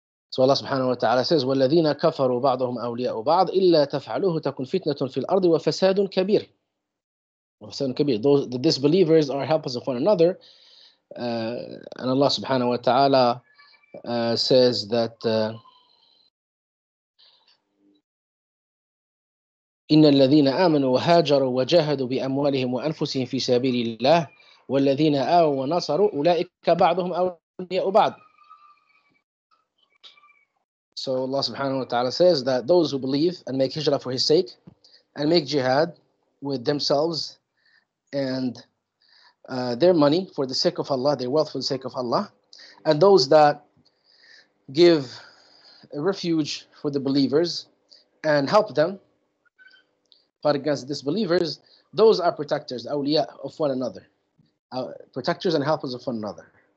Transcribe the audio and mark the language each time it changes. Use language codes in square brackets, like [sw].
[en] So Allah subhanahu wa ta'ala says, [ar] وَالَّذِينَ كَفَرُوا بَعْضُهُمْ أَوْلِيَاءُ بَعْضٍ إِلَّا تَفْعَلُوهُ تَكُنْ فِتْنَةٌ فِي الْأَرْضِ وَفَسَادٌ كَبِيرٌ. [en] The disbelievers are helpers of one another. And Allah subhanahu wa ta'ala says that [ar] إِنَّ الَّذِينَ آمَنُوا وَهَاجَرُوا وَجَاهَدُوا بِأَمْوَالِهِمْ وَأَنفُسِهِمْ فِي سَبِيلِ اللَّهِ وَالَّذِينَ آوَوا وَنَصَرُوا أُولَئِكَ بَعْضُهُمْ أَوْلِيَاءُ بَعْضٍ. [en] So Allah subhanahu wa ta'ala says that those who believe and make hijrah for his sake and make jihad with themselves and their money for the sake of Allah, their wealth for the sake of Allah, and those that give a refuge for the believers and help them fight against disbelievers, those are protectors, awliya, of one another, protectors and helpers of one another.